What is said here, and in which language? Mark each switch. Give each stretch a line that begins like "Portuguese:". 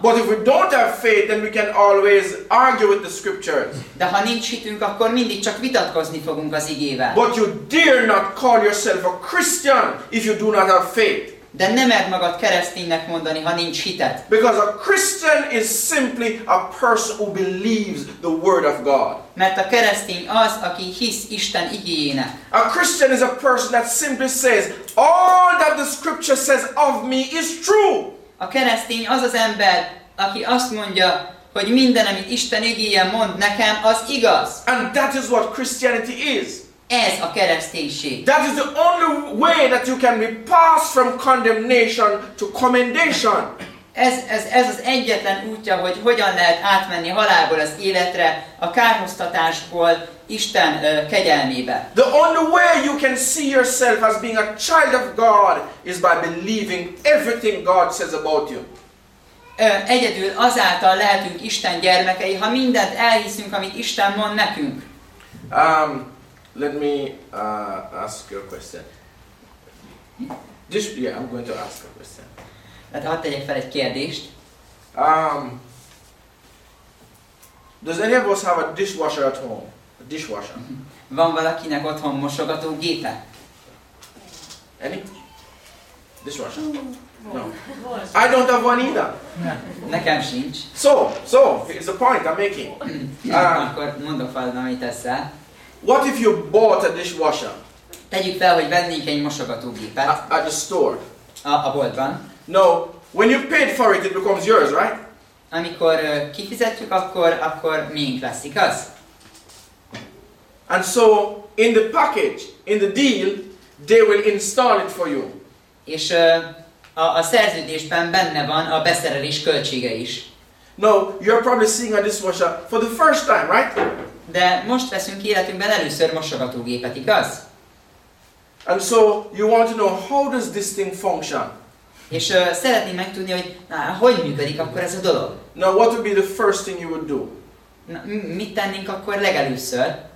English: But if we don't have faith, then we can always argue with the scriptures.
Hungarian: De ha nincs hitünk, akkor mindig csak vitatkozni fogunk az igével.
English: But you dare not call yourself a Christian if you do not have faith.
Hungarian: De nem mered magad kereszténynek mondani, ha nincs hited.
English: Because a Christian is simply a person who believes the word of God.
Hungarian: Mert a keresztény az, aki hisz Isten igéjének.
English: A Christian is a person that simply says, all that the scripture says of me is true.
Hungarian: A keresztény az az ember, aki azt mondja, hogy minden, amit Isten igéje mond nekem, az igaz.
English: And that is what Christianity is.
Hungarian: Ez a kereszténység.
English: That is the only way that you can be passed from condemnation to commendation.
Hungarian: Ez az egyetlen útja, hogy hogyan lehet átmenni halálból az életre, a kárhoztatásból Isten kegyelmébe.
English: The only way you can see yourself as being a child of God is by believing everything God says about you.
Hungarian: Egyedül azáltal lehetünk Isten gyermekei, ha mindent elhiszünk, amit Isten mond nekünk.
English: Let me ask you a question. I'm going to ask a question.
Hungarian: Hát hadd tegyek fel egy kérdést.
English: Does any of us have a dishwasher at home? A dishwasher.
Hungarian: Van valakinek otthon mosogató gépe?
English: Any? Dishwasher? No. I don't have one either.
Hungarian: Nekem sincs.
English: So, it's a point I'm making.
Hungarian: Akkor mondok fel, amit teszel.
English: What if you bought a dishwasher?
Hungarian: Tegyük fel, hogy vennénk egy mosogatógépet.
English: At the store.
Hungarian: A boltban.
English: No, when you paid for it, it becomes yours, right?
Hungarian: Amikor kifizetjük, akkor miénk lesz, igaz?
English: And so, in the package, in the deal, they will install it for you.
Hungarian: És a szerződésben benne van a beszerelés költsége is.
English: No, you're probably seeing a dishwasher for the first time, right?
Hungarian: De most veszünk életünkben először mosogatógépet, igaz?
English: And so you want to know how does this thing function?
Hungarian: És szeretném megtudni, hogy hogy működik akkor ez a dolog?
English: Now what would be the first thing you would do?
Hungarian: Mit tennénk akkor legelőször?